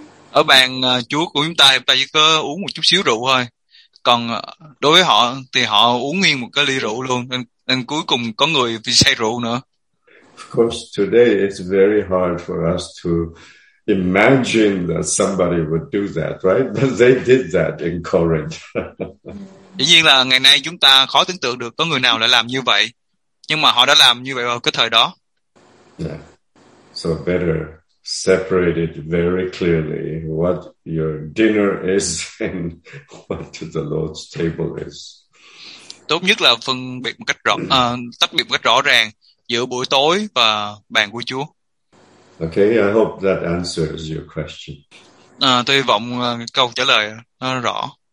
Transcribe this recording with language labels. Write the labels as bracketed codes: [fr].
[vi] Ở bàn Chúa của chúng ta, chúng ta chỉ có uống một chút xíu rượu thôi. Còn đối với họ, thì họ uống nguyên một cái ly rượu luôn. Nên cuối cùng có người bị say rượu nữa. [en] Of course, today it's very hard for us to imagine that somebody would do that, right? But they did that in Corinth. [vi] Dĩ nhiên là ngày nay chúng ta khó tưởng tượng được có người nào lại làm như vậy. Nhưng mà họ đã làm như vậy vào cái thời đó. [en] Yeah. [vi] So better separate it very clearly what your dinner is and what the Lord's table is. Tốt nhất là phân biệt một cách rõ, tách biệt một cách rõ ràng giữa buổi tối và bàn của Chúa. Okay, I hope that answers your question. Tôi hy vọng câu trả lời nó rõ.